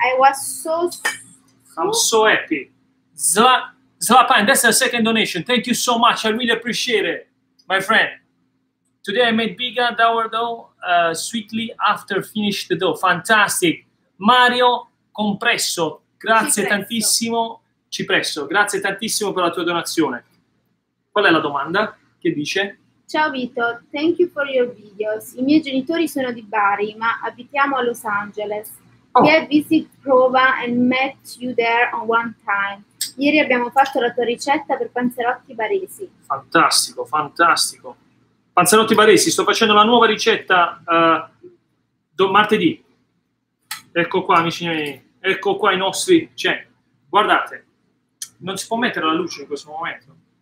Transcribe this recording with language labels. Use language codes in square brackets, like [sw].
[en] I was so I'm so happy. Zlapan, that's the second donation. Thank you so much. I really appreciate it, my friend. Today I made bigadoh sweetly after finished the dough. Fantastic, Mario Compresso. [it] Grazie tantissimo. Ci presto, grazie tantissimo per la tua donazione. Qual è la domanda? Che dice? [en] Ciao Vito, thank you for your videos. [it] I miei genitori sono di Bari, ma abitiamo a Los Angeles. Oh. [en] We have visited Prova and met you there on one time. [it] Ieri abbiamo fatto la tua ricetta per panzerotti baresi. Fantastico, fantastico. Panzerotti baresi, sto facendo la nuova ricetta martedì. Ecco qua, amici miei, ecco qua i nostri... Cioè, guardate, non si può mettere la luce in questo momento.